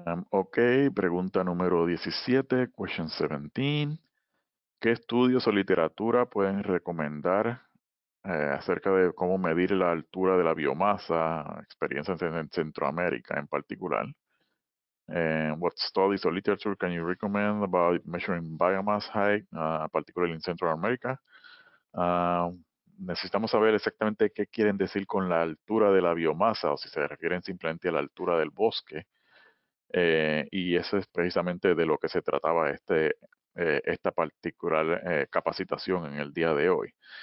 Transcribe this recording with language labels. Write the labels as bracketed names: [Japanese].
[Spanish] Ok, pregunta número 17, [English] question 17. [Spanish] ¿Qué estudios o literatura pueden recomendar acerca de cómo medir la altura de la biomasa, experiencias en Centroamérica en particular? [English] What studies or literature can you recommend about measuring biomass height, particularly in Central America? [Spanish] Necesitamos saber exactamente qué quieren decir con la altura de la biomasa, o si se refieren simplemente a la altura del bosque. Y eso es precisamente de lo que se trataba esta particular capacitación en el día de hoy.